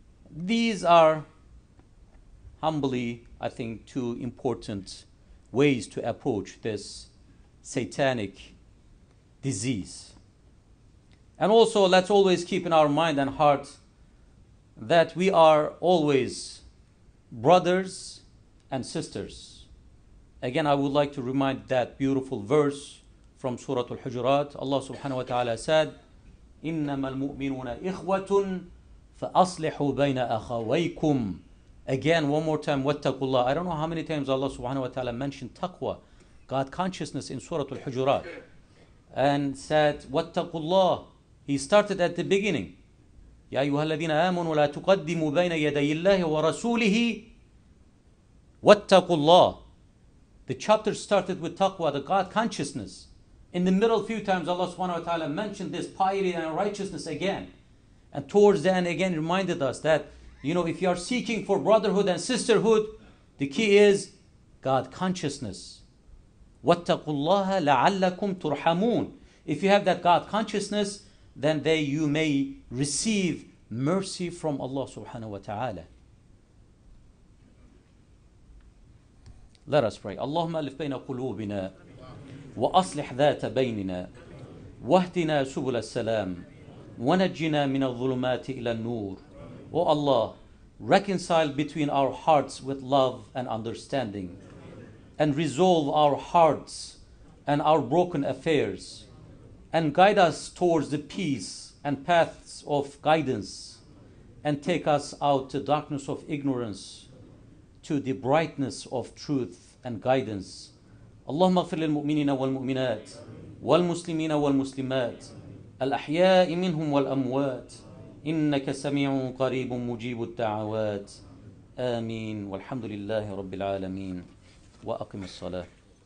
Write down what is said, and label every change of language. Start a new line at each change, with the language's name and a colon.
English: These are, humbly, I think, two important ways to approach this satanic disease. And also, let's always keep in our mind and heart that we are always brothers and sisters. Again, I would like to remind that beautiful verse from Surah Al-Hujurat. Allah subhanahu wa ta'ala said,
Arabic: إِنَّمَا الْمُؤْمِنُونَ إِخْوَةٌ فَأَصْلِحُوا بَيْنَ أَخَوَيْكُمْ.
English: Again, one more time,
Arabic: وَاتَّقُوا اللَّهِ.
English: I don't know how many times Allah subhanahu wa ta'ala mentioned taqwa, God consciousness, in Surah Al-Hujurat, and said, وَاتَّقُوا اللَّهِ. He started at the beginning.
Arabic: يَا أَيُّهَا الَّذِينَ آمَنُوا لَا تُقَدِّمُوا بَيْنَ يَدَيِ اللَّهِ وَرَسُولِهِ وَاتَّقُوا اللَّهِ.
English: The chapter started with taqwa, the God consciousness. In the middle, a few times, Allah subhanahu wa ta'ala mentioned this piety and righteousness again. And towards the end, again, reminded us that, you know, if you are seeking for brotherhood and sisterhood, the key is God consciousness.
Arabic: وَاتَّقُوا اللَّهَ لَعَلَّكُمْ تُرْحَمُونَ.
English: If you have that God consciousness, then they, you may receive mercy from Allah subhanahu wa ta'ala. Let us pray.
Arabic: اللهم ألف بين قلوبنا وأصلح ذات بيننا واهدنا سبل السلام ونجنا من الظلمات إلى النور.
English: O Allah, reconcile between our hearts with love and understanding, and resolve our hearts and our broken affairs, and guide us towards the peace and paths of guidance, and take us out of the darkness of ignorance to the brightness of truth and guidance.
Arabic: اللهم اغفر للمؤمنين والمؤمنات والمسلمين والمسلمات الأحياء منهم والأموات إنك سميع قريب مجيب الدعوات آمين والحمد لله رب العالمين وأقم الصلاة.